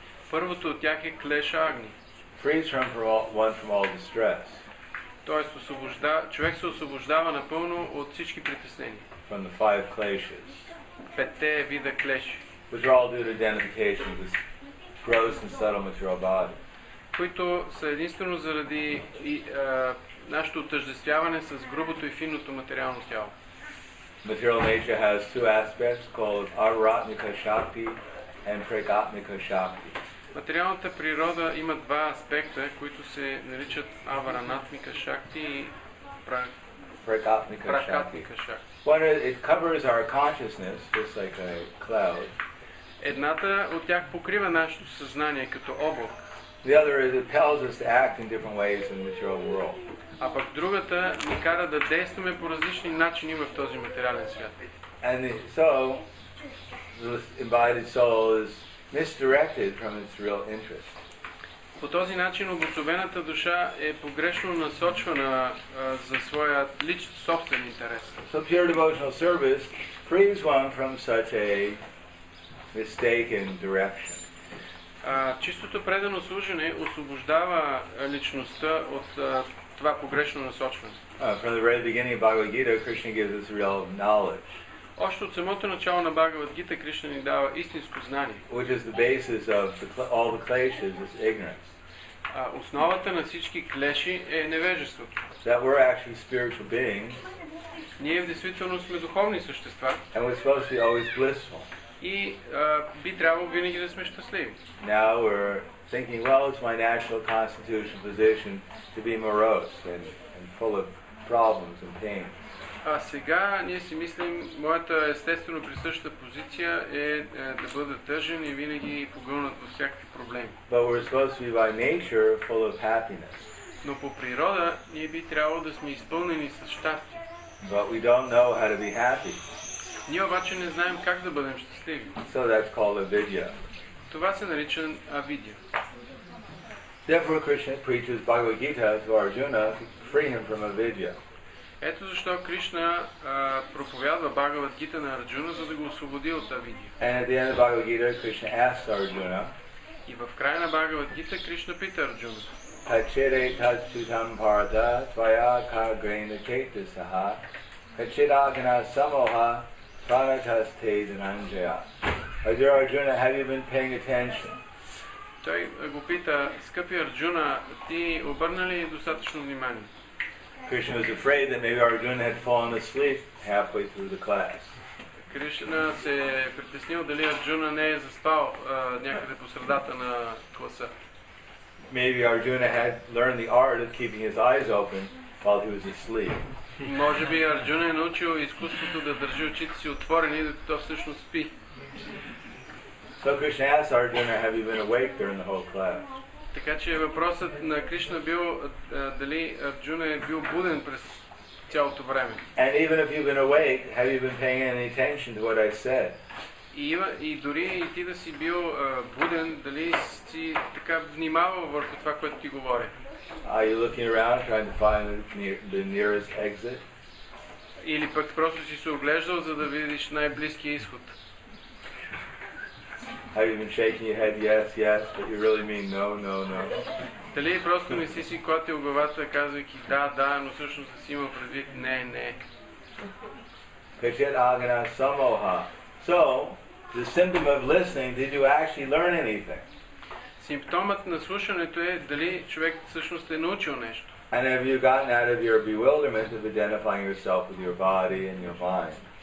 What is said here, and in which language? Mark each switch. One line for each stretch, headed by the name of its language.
Bulgarian: Първото от тях е Klesha Agni.
English: Frees one from all distress.
Bulgarian: Тоест човек се освобождава напълно от всички притеснения.
English: From the five kleshas.
Bulgarian: Петте вида клеши.
English: Which are all due to identification with this gross and subtle material body.
Bulgarian: Които са единствено заради нашето отъждествяване с грубото и финното материално тяло.
English: Material nature has two aspects called Arvatmika Shakti and Pragatmika Shakti.
Bulgarian: Материалната природа има два аспекта, които се наричат Аваранатмика Шакти и Прагатмика Шакти.
English: One is, it covers our consciousness, just like a cloud.
Bulgarian: Едната от тях покрива нашето съзнание като облак.
English: The other is it tells us to act in different ways in the material world.
Bulgarian: А пък другата ни кара да действаме по различни начини в този материален свят.
English: And so the embodied soul is misdirected from its real interest.
Bulgarian: По този начин обособената душа е погрешно насочвана за своя личен собствен интерес.
English: So pure devotional service frees one from such a mistaken direction.
Bulgarian: Чистото предано служене освобождава личността от това погрешно насочване.
English: From the very beginning of Bhagavad Gita, Krishna gives us real knowledge.
Bulgarian: Още от самото начало на Бхагавад Гита Кришна ни дава истинско знание.
English: Which is the basis of all the kleshas is ignorance.
Bulgarian: Основата на всички клеши е невежеството.
English: That we're actually spiritual beings.
Bulgarian: Ние в действителност сме духовни същества.
English: And we're supposed to be always blissful.
Bulgarian: И би трябвало винаги да сме щастливи.
English: Now we're thinking, well, it's my natural constitutional position to be morose and full of problems and pain.
Bulgarian: А сега ние си мислим, моята естествено присъща позиция е да бъда тъжен и винаги погълнат във всякакви проблеми.
English: But we're supposed to be by nature full of happiness.
Bulgarian: Но по природа ние би трябвало да сме изпълнени с щастие.
English: But we don't know how to be happy.
Bulgarian: Ние обаче не знаем как да бъдем щастливи.
English: So that's called avidya.
Bulgarian: Това се нарича авидия.
English: Therefore Krishna preaches Bhagavad Gita to Arjuna to free him from avidya.
Bulgarian: Ето защо Кришна проповядва Бхагавад Гита на Арджуна, за да го освободи от авидия.
English: And at the end of Bhagavad Gita, Krishna asks Arjuna.
Bulgarian: И в края на Бхагавад Гита Кришна пита Арджуна.
Sanskrit: Качире тачутам парда твая кагрена кетасаха качирагна самоха пранатас те дананжая.
English: Арджуна, have you been paying attention?
Bulgarian: Той го пита, скъпи Арджуна, ти обърна ли достатъчно внимание?
English: Krishna was afraid that maybe Arjuna had fallen asleep halfway through the class.
Bulgarian: Krishna се притеснил дали Арджуна не е заспал някъде по средата на класа.
English: Maybe Arjuna had learned the art of keeping his eyes open while he was asleep.
Bulgarian: Може би Арджуна е научил изкуството да държи очите си отворени докато всъщност спи.
English: So Krishna asked Arjuna, have you been awake during the whole class?
Bulgarian: Така че въпросът на Кришна бил дали Арджуна е бил буден през цялото време.
English: And even if you've been awake, have you been paying any attention to what I said?
Bulgarian: И дори и ти да си бил буден, дали си така внимавал върху това, което ти говоря?
English: Are you looking around trying to find the nearest exit?
Bulgarian: Или пък просто си се оглеждал, за да видиш най-близкия изход?
English: Have you been shaking your head, yes, yes, but you really mean no, no, no?
Bulgarian: Дали просто не си си котил главата, казвайки да, да, но всъщност си има предвид не, не.
Sanskrit: Kachet agana samoha.
English: So, the symptom of listening, did you actually learn anything?
Bulgarian: Симптомът на слушането е дали човек всъщност е научил нещо.
English: And have you gotten out of your bewilderment of identifying yourself with your body and your mind?